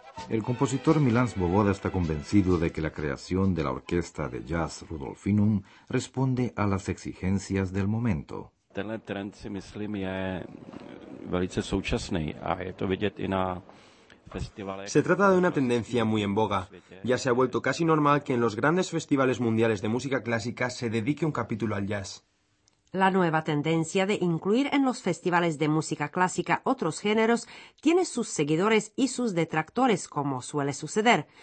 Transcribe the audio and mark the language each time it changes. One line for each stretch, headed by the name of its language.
Spanish: El compositor Milan Svoboda está convencido de que la creación de la orquesta de jazz Rudolfinum responde a las exigencias del momento.
Czech: Tenhle trend si myslím je velice současný a je to vidět i na...
Spanish: Se trata de una tendencia muy en boga. Ya se ha vuelto casi normal que en los grandes festivales mundiales de música clásica se dedique un capítulo al jazz. La nueva tendencia de incluir en los festivales de música clásica otros géneros tiene sus seguidores y sus detractores, como suele suceder.